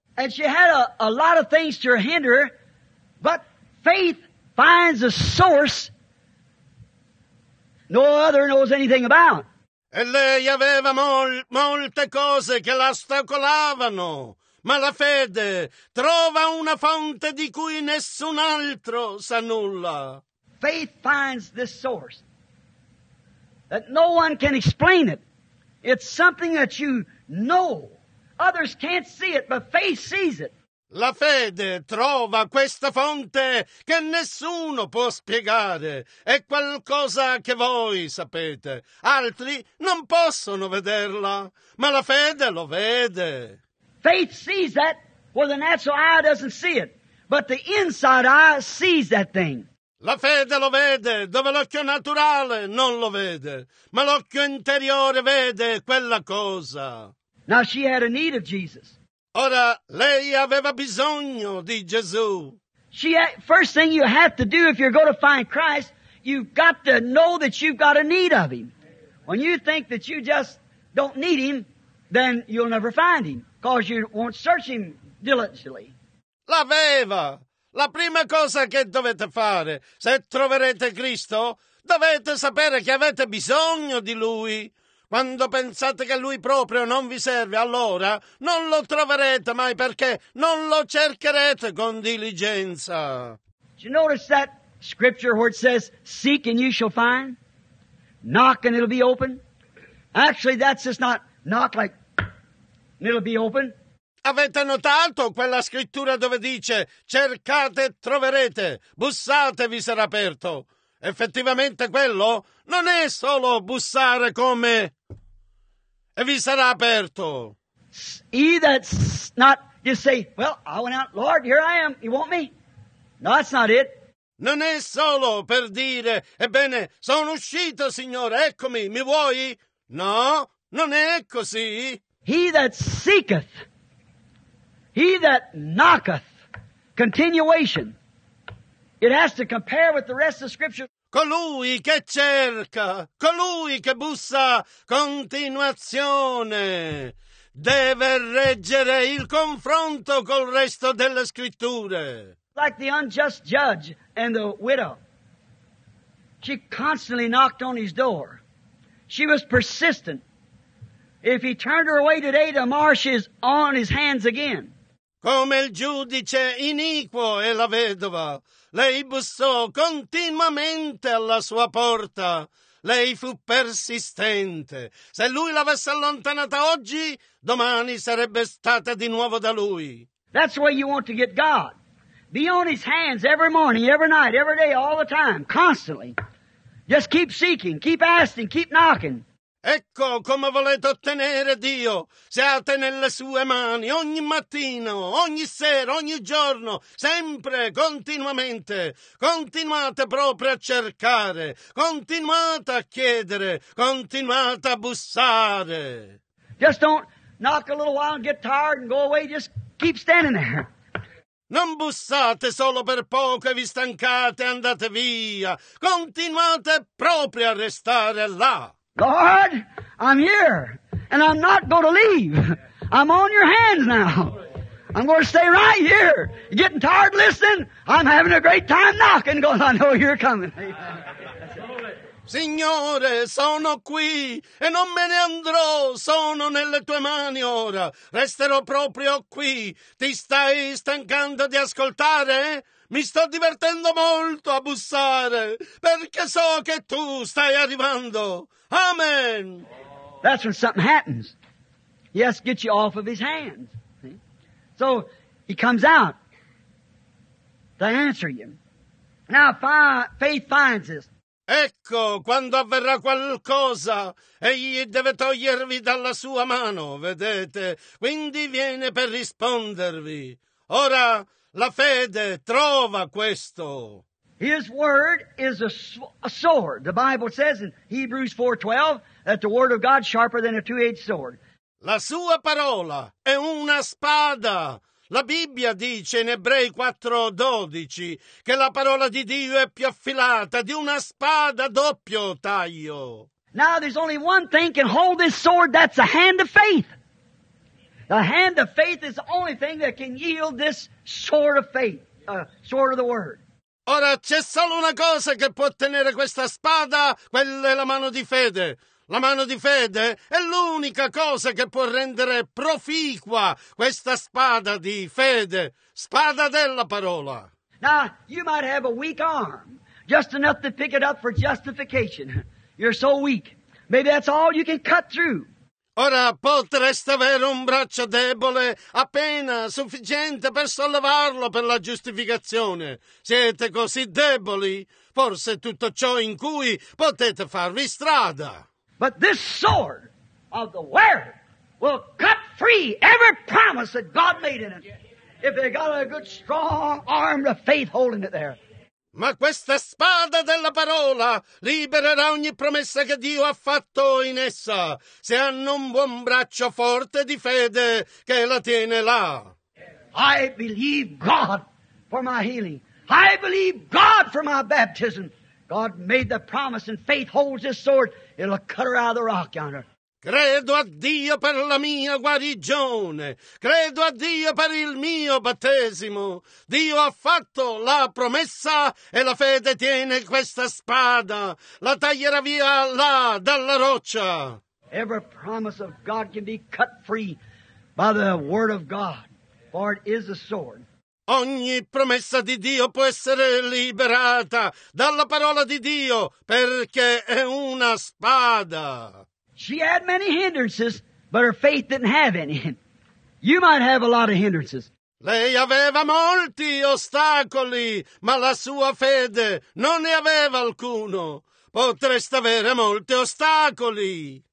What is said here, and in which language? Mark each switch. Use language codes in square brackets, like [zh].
[en] And she had a lot of things to hinder, but faith finds a source no other knows anything about. [it] E lei aveva molte cose che la ostacolavano, ma la fede trova una fonte di cui nessun altro sa nulla. [en] Faith finds this source that no one can explain it. It's something that you know. Others can't see it, but faith sees it. [it] La fede trova questa fonte che nessuno può spiegare. È qualcosa che voi sapete. Altri non possono vederla, ma la fede lo vede. [en] Faith sees that where the natural eye doesn't see it, but the inside eye sees that thing. [it] La fede lo vede dove l'occhio naturale non lo vede, ma l'occhio interiore vede quella cosa. [en] Now she had a need of Jesus. [it] Ora lei aveva bisogno di Gesù. [en] First thing you have to do if you're going to find Christ, you've got to know that you've got a need of Him. When you think that you just don't need Him, then you'll never find Him, because you won't search Him diligently. [it] L'aveva! La prima cosa che dovete fare, se troverete Cristo, dovete sapere che avete bisogno di Lui. Quando pensate che Lui proprio non vi serve, allora non lo troverete mai perché non lo cercherete con diligenza. [en] Did you notice that scripture where it says, seek and you shall find? Knock and it'll be open? Actually, that's just not knock like, and it'll be open. [it] Avete notato quella scrittura dove dice cercate e troverete, bussate e vi sarà aperto? Effettivamente quello non è solo bussare come e vi sarà aperto. [en] He that's not just say, well, I went out, Lord, here I am, you want me? No, that's not it. [it] Non è solo per dire, ebbene, sono uscito, Signore, eccomi, mi vuoi? No, non è così. [en] He that seeketh. He that knocketh, continuation, it has to compare with the rest of Scripture. [it] Colui che cerca, colui che bussa, continuazione, deve reggere il confronto col resto delle Scritture. [en] Like the unjust judge and the widow. She constantly knocked on his door. She was persistent. If he turned her away today, tomorrow she's on his hands again. [it] Come il giudice iniquo e la vedova, lei bussò continuamente alla sua porta. Lei fu persistente. Se lui l'avesse allontanata oggi, domani sarebbe stata di nuovo da lui. [en] That's where you want to get God. Be on his hands every morning, every night, every day, all the time, constantly. Just keep seeking, keep asking, keep knocking. [it] Ecco come volete ottenere Dio. Siate nelle sue mani ogni mattino, ogni sera, ogni giorno, sempre, continuamente. Continuate proprio a cercare, continuate a chiedere, continuate a bussare. [en] Just don't knock a little while and get tired and go away, just keep standing there. [it] Non bussate solo per poco e vi stancate e andate via. Continuate proprio a restare là. [en] Lord, I'm here, and I'm not going to leave. I'm on your hands now. I'm going to stay right here. You're getting tired listening? I'm having a great time knocking, because I know you're coming. [it] Signore, sono qui, e non me ne andrò. Sono nelle tue mani ora. Resterò proprio qui. Ti stai stancando di ascoltare? Mi sto divertendo molto a bussare, perché so che tu stai arrivando. [en] Amen. That's when something happens. He has to get you off of his hands. See? So he comes out to answer you. Now faith finds this. [it] Ecco, quando avverrà qualcosa, egli deve togliervi dalla sua mano, vedete? Quindi viene per rispondervi. Ora la fede trova questo. [en] His word is a sword. The Bible says in Hebrews 4:12 that the word of God is sharper than a two-edged sword. [it] La sua parola è una spada. La Bibbia dice in Ebrei 4:12 che la parola di Dio è più affilata di una spada a doppio taglio. [en] Now there's only one thing can hold this sword. That's the hand of faith. The hand of faith is the only thing that can yield this sword of faith, sword of the word. [it] Ora c'è solo una cosa che può tenere questa spada, quella è la mano di fede. La mano di fede è l'unica cosa che può rendere proficua questa spada di fede, spada della parola. [en] Now, you might have a weak arm, just enough to pick it up for justification. You're so weak. Maybe that's all you can cut through. [it] Ora potreste avere un braccio debole, appena sufficiente per sollevarlo per la giustificazione. Siete così deboli? Forse tutto ciò in cui potete farvi strada. [en] But this sword of the word will cut free every promise that God made in it. If they got a good strong arm of faith holding it there. [it] Ma questa spada della parola libererà ogni promessa che Dio ha fatto in essa, se hanno un buon braccio forte di fede che la tiene là. [en] I believe God for my healing. I believe God for my baptism. God made the promise and faith holds this sword. It'll cut her out of the rock yonder. [it] Credo a Dio per la mia guarigione. Credo a Dio per il mio battesimo. Dio ha fatto la promessa e la fede tiene questa spada. La taglierà via là dalla roccia. [en] Every promise of God can be cut free by the word of God, for it is a sword. [it] Ogni promessa di Dio può essere liberata dalla parola di Dio perché è una spada. [en] She had many hindrances, but her faith didn't have any. You might have a lot of hindrances. [it] Lei aveva molti ostacoli, ma la sua fede non ne aveva alcuno. Potreste avere molti ostacoli.